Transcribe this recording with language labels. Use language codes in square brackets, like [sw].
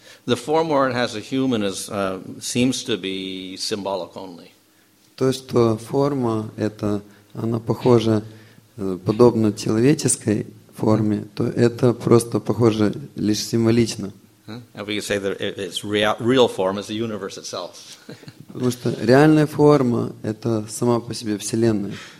[en] The form where it has a human is seems to be symbolic only. [ru] То что форма это она похожа подобно человеческой форме, то это просто похоже лишь символично. [en] And we can say that its real form is the universe itself. [ru] Потому что реальная форма это сама по себе вселенная.